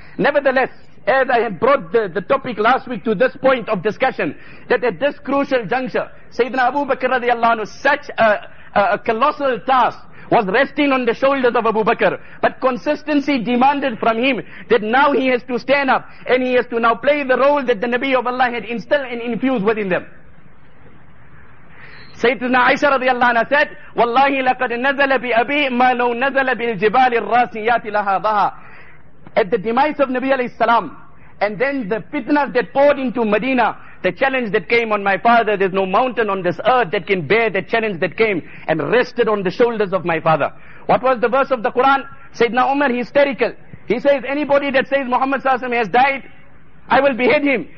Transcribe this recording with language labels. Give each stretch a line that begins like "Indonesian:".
English: Nevertheless, as I had brought the topic last week to this point of discussion, that at this crucial juncture, Sayyidina Abu Bakr radiallahu anhu, such a colossal task was resting on the shoulders of Abu Bakr. But consistency demanded from him that now he has to stand up and he has to now play the role that the Nabi of Allah had instilled and infused within them.
Arabic: سيدنا عائشة رضي الله عنها
English: said,
Arabic: والله لقد نزل بأبي ما لو نزل بالجبال الراسيات لها بها.
English: At the demise of Nabi alayhi salam, and then the fitnas that poured into Medina, the challenge that came on my father, there's no mountain on this earth that can bear the challenge that came and rested on the shoulders of my father. What was the verse of the Quran? Sayyidina Umar, hysterical. He says, anybody that says Muhammad sallallahu alayhi wa sallam has died, I will behead him.